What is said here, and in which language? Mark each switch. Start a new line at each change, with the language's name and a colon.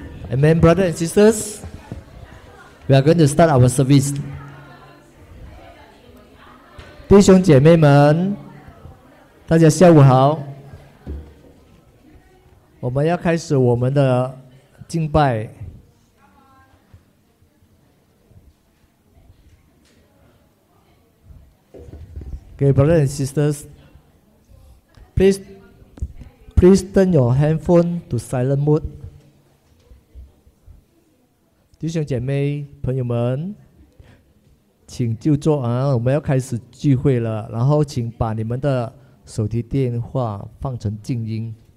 English: Amen, brothers and sisters. We are going to start our service.
Chinese: 弟兄姐妹们，大家下午好。我们要开始我们的敬拜。
English: Okay, brothers and sisters, please turn your handphone to silent mode.
Chinese: 弟兄姐妹朋友们，请就坐啊，我们要开始聚会了，然后请把你们的手提电话放成静音。